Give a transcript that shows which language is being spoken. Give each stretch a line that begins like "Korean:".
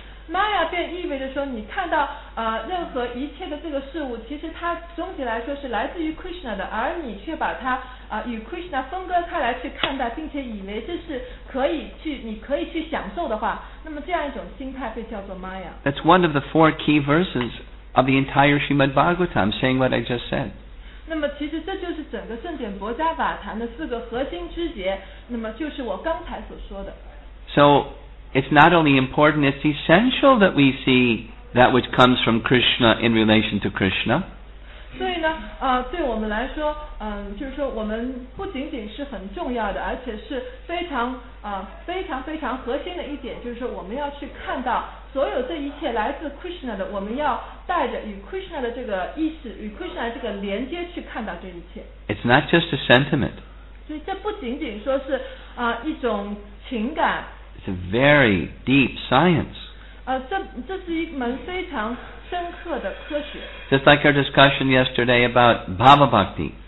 Chinese: Maya 便意味着说，你看到任何一切的这个事物，其实它总体来说是来自于 Krishna 的，而你却把它与 Krishna 分割开来去看待，并且以为这是你可以去享受的话，那么这样一种心态被叫做 Maya.
English: That's one of the four key verses of the entire Srimad Bhagavatam, saying what I just said.
Chinese: 那么其实这就是整个圣典薄伽法坛的四个核心枝节，那么就是我刚才所说的。
English: So it's not only important, it's essential that we see that which comes from Krishna in relation to Krishna.
Chinese: 所以呢，对我们来说，就是说我们不仅仅是很重要的，而且是非常非常非常核心的一点，就是说我们要去看到。所有这一切来自 Krishna 的，我们要带着与 Krishna 的这个意识，与 Krishna 这个连接去看到这一切。
English: It's not just a sentiment.
Chinese: 所以这不仅仅说是一种情感。
English: It's a very deep science.
Chinese: 这是一门非常深刻的科学。
English: Just like our discussion yesterday about Bhava Bhakti.